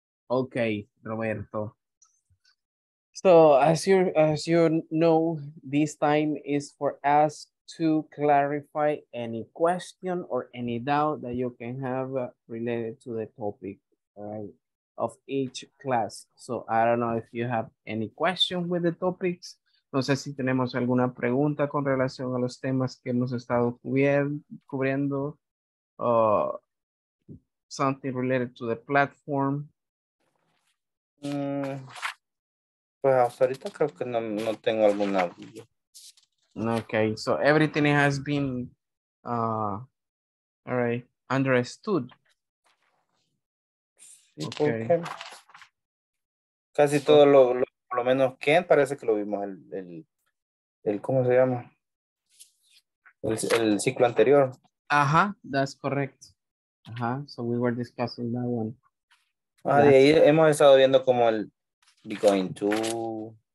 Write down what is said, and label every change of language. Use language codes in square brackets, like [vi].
[en] Okay, Roberto. So as you know, this time is for us to clarify any question or any doubt that you can have related to the topic. All right. Of each class. So I don't know if you have any question with the topics. [es] No sé si tenemos alguna pregunta con relación a los temas que hemos estado cubriendo. [en] Something related to the platform. [es] Pues hasta ahorita creo que no tengo alguna duda. [en] Okay, so everything has been all right, understood. [es] Sí, okay. Casi so, todo lo por lo menos Ken parece que lo vimos el ¿cómo se llama? El ciclo anterior. [en] Ajá, that's correct. Ajá, so we were discussing that one. [es] Ah, de ahí hemos estado viendo como el be going to,